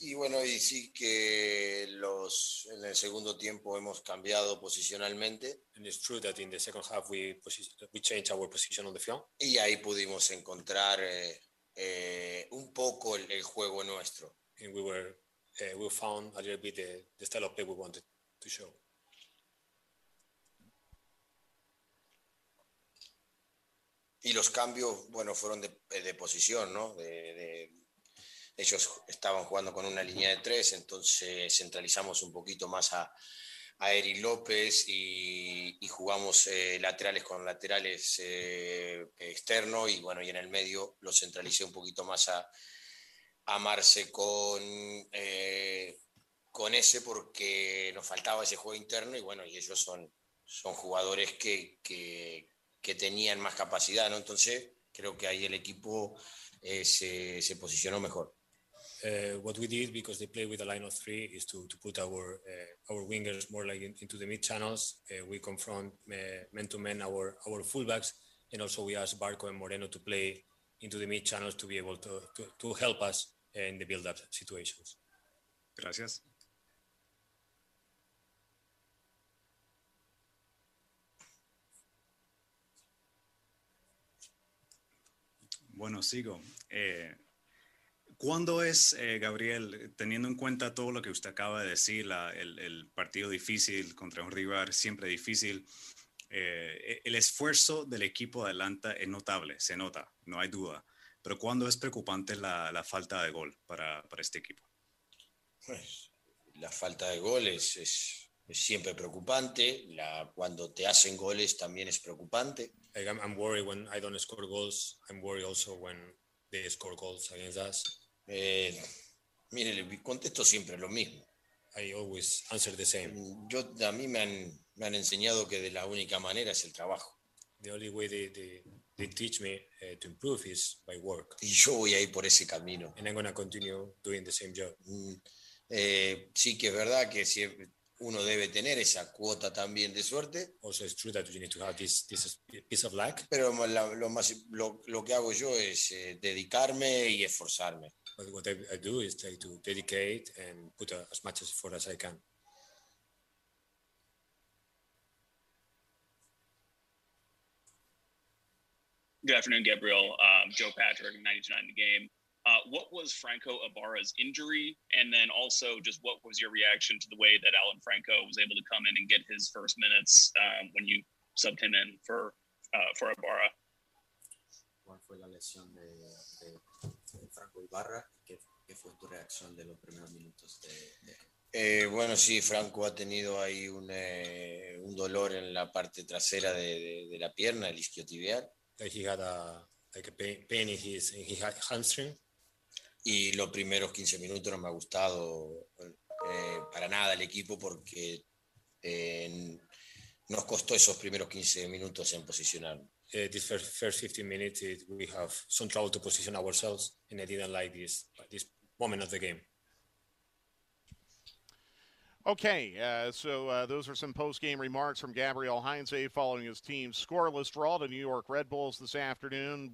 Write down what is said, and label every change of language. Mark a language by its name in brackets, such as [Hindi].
[Spanish] Y bueno, y sí que los en el segundo tiempo hemos cambiado posicionalmente. [English] And it's true that in the second half we changed our position on the field. [Spanish] Y ahí pudimos encontrar un poco el juego nuestro. [English] And we found a little bit the style of play we wanted to show. [Spanish] Y los cambios, bueno, fueron de posición, ¿no? Ellos estaban jugando con una línea de tres, entonces centralizamos un poquito más a Eric López y jugamos laterales con laterales externo y bueno, y en el medio lo centralicé un poquito más a Marce con ese porque nos faltaba ese juego interno y bueno, y ellos son jugadores que tenían más capacidad, ¿no? Entonces, creo que ahí el equipo se posicionó mejor. [English] What we did, because they play with a line of three, is to put our wingers more like into the mid channels. We confront man-to-man our fullbacks, and also we ask Barco and Moreno to play into the mid channels to be able to help us in the build-up situations. [Spanish] Gracias. Bueno, sigo. ¿Cuándo es, Gabriel, teniendo en cuenta todo lo que usted acaba de decir, el partido difícil contra un rival siempre difícil, el esfuerzo del equipo de Atlanta es notable, se nota, no hay duda. Pero ¿cuándo es preocupante la falta de gol para este equipo? Pues, la falta de gol es siempre preocupante. Cuando te hacen goles también es preocupante. [English] I'm worried when I don't score goals. I'm worried also when they score goals against us. [Spanish] Mire, le contesto siempre lo mismo. [English] I always answer the same. [Spanish] A mí me han enseñado que de la única manera es el trabajo. [English] The only way they teach me to improve is by work. [Spanish] Y yo voy a ir por ese camino. [English] And I'm going to continue doing the same job. [Spanish] Sí que es verdad que siempre uno debe tener esa cuota también de suerte. [English] Also, it's true that you need to have this piece of luck. [Spanish] Pero lo que hago yo es dedicarme y esforzarme. [English] But what I do is try to dedicate and put as much effort as I can. Good afternoon, Gabriel. Joe Patrick, 92.9 The Game. What was Franco Ibarra's injury? And then also just what was your reaction to the way that Alan Franco was able to come in and get his first minutes when you subbed him in for Ibarra? [Spanish] ¿Cuál fue la lesión de Franco Ibarra? ¿Qué fue tu reacción de los primeros minutos de... Bueno, sí, Franco ha tenido ahí un dolor en la parte trasera de la pierna, el isquiotibial. [English] He had a pain in his hamstring. [Spanish] Y los primeros 15 minutos no me ha gustado para nada el equipo porque nos costó esos primeros 15 minutos en posicionar. [English] These first 15 minutes we have some trouble to position ourselves and I didn't like this moment of the game. Okay, so those are some post-game remarks from Gabriel Heinze following his team's scoreless draw to New York Red Bulls this afternoon.